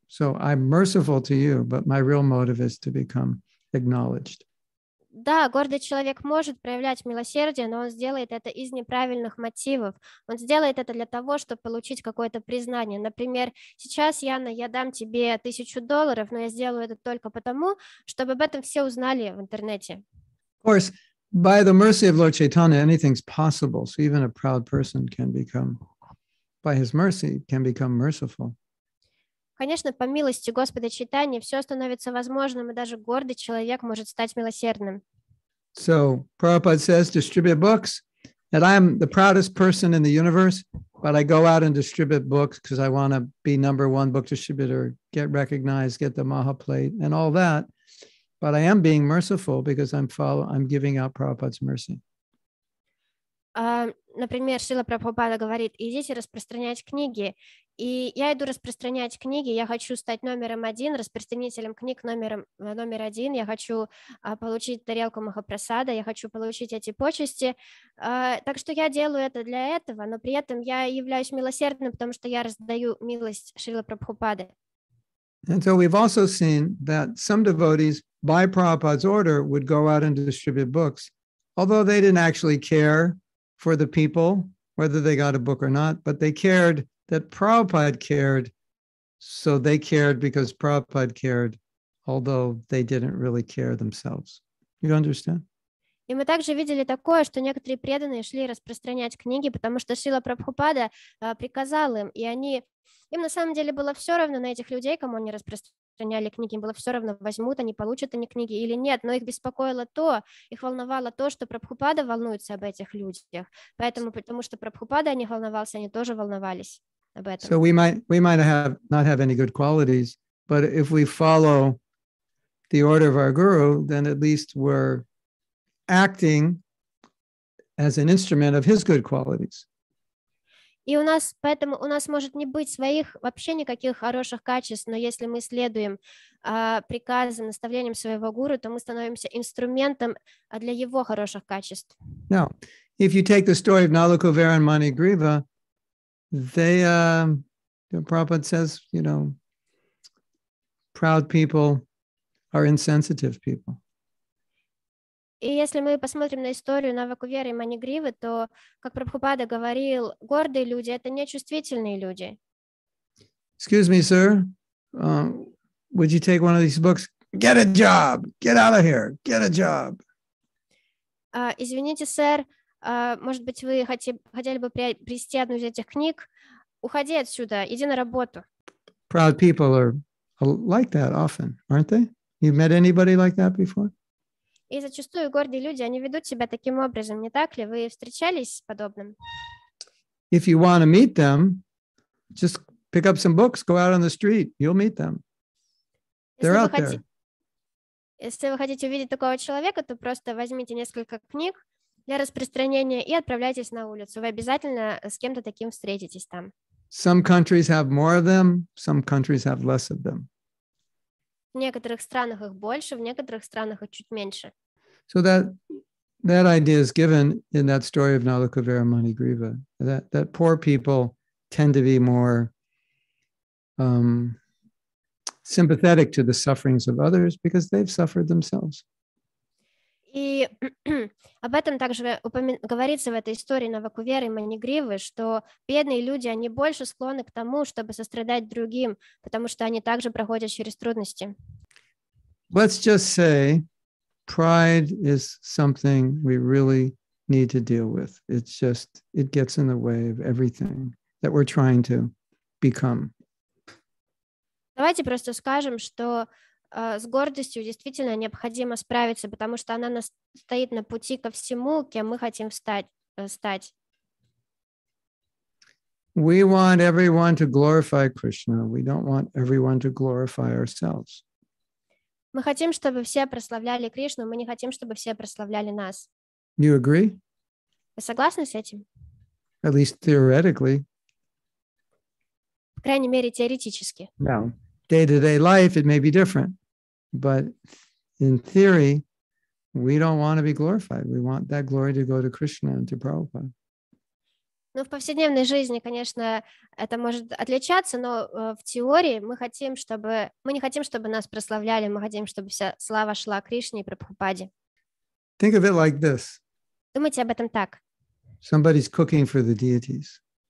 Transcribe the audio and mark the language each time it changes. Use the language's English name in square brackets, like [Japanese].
[English] So I'm merciful to you, but my real motive is to become acknowledged. [Russian] Да, гордый человек может проявлять милосердие, но он сделает это из неправильных мотивов. Он сделает это для того, чтобы получить какое-то признание. Например, сейчас, Яна, я дам тебе $1,000, но я сделаю это только потому, чтобы об этом все узнали в интернете. [English] Of course, by the mercy of Lord Chaitanya, anything's possible. So even a proud person can become, by his mercy, can become merciful. [Russian] Конечно, по милости Господа Чайтаньи все становится возможным, и даже гордый человек может стать милосердным. [English] So, Prabhupada says, distribute books, and I'm the proudest person in the universe, but I go out and distribute books because I want to be number one book distributor, get recognized, get the maha plate, and all that. But I am being merciful because I'm giving out Prabhupada's mercy. [Russian] Например, Шрила Прабхупада говорит, идите распространять книги. И я иду распространять книги, я хочу стать номером один, распространителем книг номер один, я хочу получить тарелку Махапрасада, я хочу получить эти почести. Так что я делаю это для этого, но при этом я являюсь милосердным, потому что я раздаю милость Шрила Прабхупады. [English] And so we've also seen that some devotees, by Prabhupada's order, would go out and distribute books, although they didn't actually care for the people, whether they got a book or not, but they cared that Prabhupada cared, so they cared because Prabhupada cared, although they didn't really care themselves. You understand? [Russian] И мы также видели такое, что некоторые преданные шли распространять книги, потому что Шрила Прабхупада приказал им, и они... Им на самом деле было все равно на этих людей, кому они распространяли книги, им было все равно, возьмут они, получат они книги или нет, но их беспокоило то, их волновало то, что Прабхупада волнуется об этих людях. Поэтому, потому что Прабхупада о них волновался, они тоже волновались об этом. [English] So we might not have any good qualities, but if we follow the order of our guru, then at least we're acting as an instrument of his good qualities. [Russian] И у нас, поэтому у нас может не быть своих вообще никаких хороших качеств, но если мы следуем приказам, наставлениям своего гуру, то мы становимся инструментом для его хороших качеств. [English] Now, if you take the story of Nalakuvera and Manigriva, they, Prabhupada says, you know, proud people are insensitive people. [Russian] И если мы посмотрим на историю Навакуверы и Манигривы, то, как Прабхупада говорил, гордые люди — это нечувствительные люди. [English] Excuse me, sir. Would you take one of these books? Get a job! Get out of here! Get a job! [Russian] Извините, сэр, может быть, вы хотели бы приобрести одну из этих книг? Уходи отсюда, иди на работу. [English] Proud people are like that often, aren't they? You've met anybody like that before? [Russian] И зачастую гордые люди, они ведут себя таким образом, не так ли? Вы встречались с подобным? [English] If you want to meet them, just pick up some books, go out on the street, you'll meet them. They're out there. [Russian] Если вы хотите увидеть такого человека, то просто возьмите несколько книг для распространения и отправляйтесь на улицу. Вы обязательно с кем-то таким встретитесь там. [English] Some countries have more of them, some countries have less of them. [Russian] В некоторых странах их больше, в некоторых странах их чуть меньше. [English] So that idea is given in that story of Nalakuvera Manigriva, that poor people tend to be more sympathetic to the sufferings of others because they've suffered themselves. [Russian] И об этом также говорится в этой истории Навакуверы и Манигривы, что бедные люди, они больше склонны к тому, чтобы сострадать другим, потому что они также проходят через трудности. [English] Let's just say pride is something we really need to deal with. It's just, it gets in the way of everything that we're trying to become. [Russian] Давайте просто скажем, что с гордостью действительно необходимо справиться, потому что она нас стоит на пути ко всему, кем мы хотим стать. [English] We want everyone to glorify Krishna. We don't want everyone to glorify ourselves. [Russian] Мы хотим, чтобы все прославляли Кришну, мы не хотим, чтобы все прославляли нас. [English] You agree? [Russian] Вы согласны с этим? [English] At least theoretically. [Russian] По крайней мере, теоретически. [English] No. Day-to-day life, it may be different. But in theory, we don't want to be glorified. We want that glory to go to Krishna and to Prabhupada. [Russian] Ну, в повседневной жизни, конечно, это может отличаться, но в теории мы не хотим, чтобы нас прославляли, мы хотим, чтобы вся слава шла Кришне и Прабхупаде. [English] Think of it like this. [Russian] Думайте об этом так. [English] Somebody's cooking for the deities.